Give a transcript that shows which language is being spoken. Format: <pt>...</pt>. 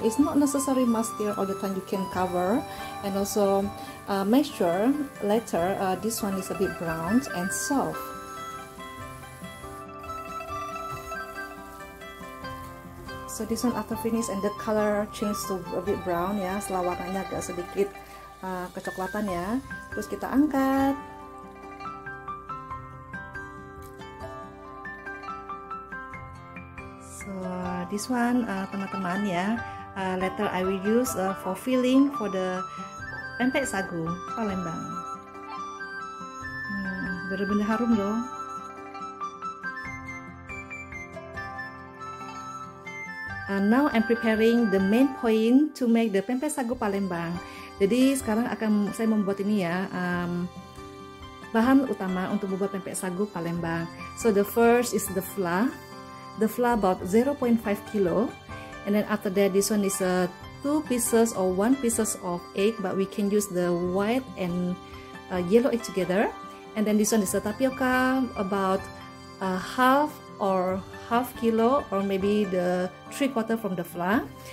<en>It's not necessary must stir all the time, you can cover. And also make sure later this one is a bit brown and soft. So this one after finish and the color changed to a bit brown, yeah.</en> <id>Setelah warnanya agak sedikit kecoklatan ya. Terus kita angkat.</id> <en>This one, teman-teman ya, later I will use for filling for the pempek sagu Palembang.</en> <id>Bener-bener harum loh.</id> <en>Now I'm preparing the main point to make the pempek sagu Palembang.</en> <id>Jadi sekarang akan saya membuat ini ya, bahan utama untuk membuat pempek sagu Palembang.</id> <en>So the first is the flour. The flour about 0.5 kilo, and then after that, this one is a 2 pieces or 1 pieces of egg, but we can use the white and yellow egg together. And then this one is a tapioca about a half or half kilo or maybe the 3/4 from the flour.</en>